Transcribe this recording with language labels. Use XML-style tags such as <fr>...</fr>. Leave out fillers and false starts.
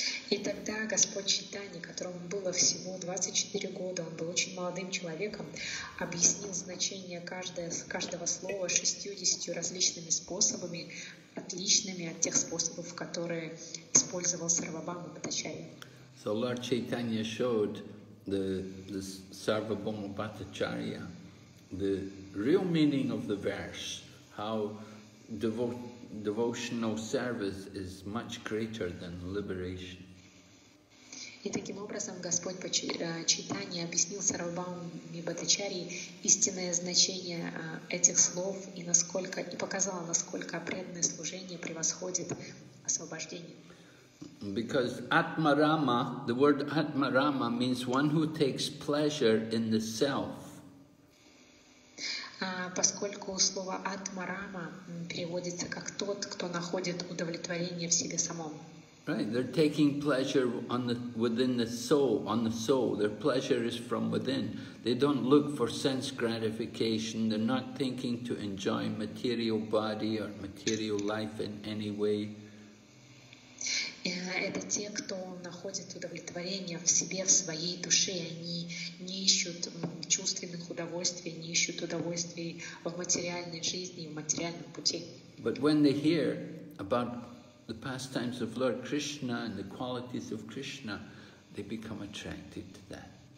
<ru>И тогда Господь Чайтанья, которому было всего 24 года, он был очень молодым человеком, объяснил значение каждого слова 60 различными способами, отличными от тех способов, которые использовал Сарвабхаума Бхаттачарья.</ru> <en>So Lord Chaitanya showed the Sarvabhauma Bhattacharya the real meaning of the verse, how devotional service is much greater than liberation.</en> <ru>И таким образом Господь Чайтанья объяснил Сарвабхауме Бхаттачарье истинное значение этих слов и насколько и показал, насколько преданное служение превосходит освобождение.</ru> <en>Because Atmarama, the word Atmarama means one who takes pleasure in the self.</en> <ru>Поскольку слово Атмарама переводится как тот, кто находит удовлетворение в себе самом.</ru> <en>Right, they're taking pleasure within the soul. Their pleasure is from within. They don't look for sense gratification. They're not thinking to enjoy material body or material life in any way.</en> <ru>Это те, кто находит удовлетворение в себе, в своей душе. Они не ищут чувственных удовольствий, не ищут удовольствий в материальной жизни, в материальном пути.</ru> <en>But when they hear about the pastimes of Lord Krishna and the qualities of Krishna, they become attracted to that.</en>